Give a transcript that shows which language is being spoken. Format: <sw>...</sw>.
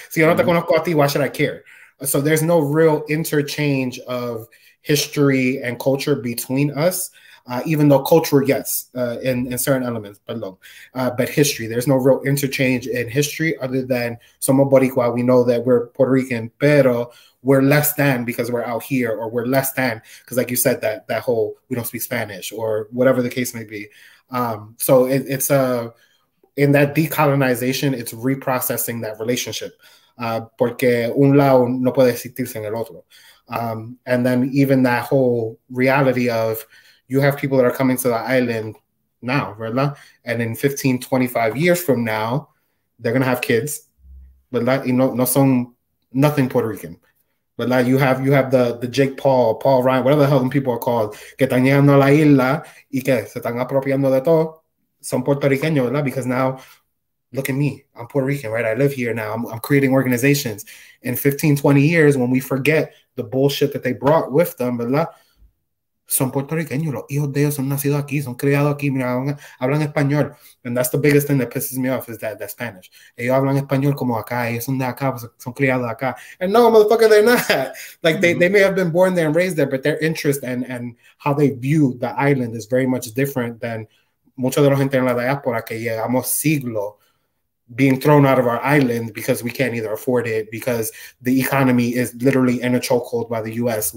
<es>Si yo no te conozco a ti,</es> <en>why should I care? So there's no real interchange of history and culture between us, even though culture, yes, in certain elements, but history, there's no real interchange in history other than</en> <es>somos boricua,</es> <en>we know that we're Puerto Rican, pero we're less than because we're out here, or we're less than, because like you said, that whole we don't speak Spanish or whatever the case may be. So it's a... In that decolonization, it's reprocessing that relationship</en> <es>porque un lado no puede existir sin el otro.</es> <en>And then even that whole reality of you have people that are coming to the island now, ¿verdad? And in 15, 25 years from now, they're going to have kids, ¿verdad?</en> <es>Y no son</es> <en>nothing Puerto Rican. But like you have the Jake Paul, Paul Ryan, whatever the hell them people are called,</en> <es>que están llegando a la isla y que se están apropiando de todo, son puertorriqueños, ¿verdad?</es> <en>Because now, look at me, I'm Puerto Rican, right? I live here now, I'm creating organizations. In 15, 20 years, when we forget the bullshit that they brought with them, ¿verdad?</en> <es>Son puertorriqueños, los hijos de ellos son nacidos aquí, son criados aquí, mira, hablan español.</es> <en>And that's the biggest thing that pisses me off is that Spanish.</en> <es>Ellos hablan español como acá, ellos son de acá, son criados acá.</es> <en>And no, motherfucker, they're not. Like, they may have been born there and raised there, but their interest and how they view the island is very much different than</en> <es>mucho de la gente en la diáspora que llegamos siglo</es> <en>being thrown out of our island because we can't either afford it because the economy is literally in a chokehold by the U.S.</en>